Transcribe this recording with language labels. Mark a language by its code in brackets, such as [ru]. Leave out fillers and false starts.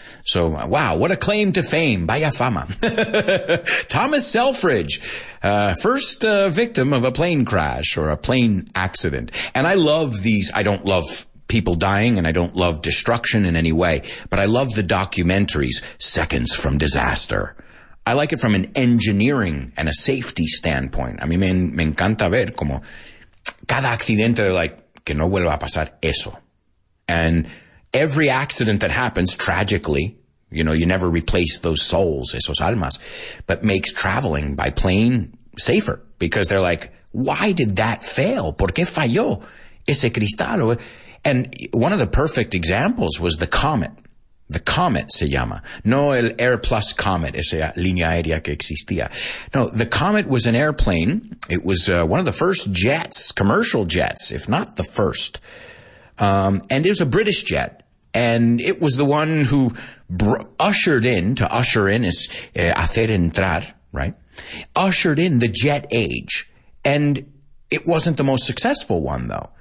[en] So, wow, what a claim to fame. [es] Vaya fama. [en] Thomas Selfridge, first victim of a plane crash or a plane accident. And I love these. I don't love people dying and I don't love destruction in any way, but I love the documentaries, Seconds from Disaster. I like it from an engineering and a safety standpoint. [es] A mí me encanta ver como cada accidente, like, que no vuelva a pasar eso. [en] And every accident that happens, tragically, you know, you never replace those souls, [es] esos almas, [en] but makes traveling by plane safer because they're like, why did that fail? [es] ¿Por qué falló ese cristal? [en] And one of the perfect examples was the comet. [es] The comet se llama. No el Air Plus comet, esa línea aérea que existía. [en] No, the comet was an airplane. It was one of the first jets, commercial jets, if not the first. And it was a British jet, and it was the one who ushered in is [es] hacer entrar, [en] right? Ushered in the jet age, and it wasn't the most successful one, though.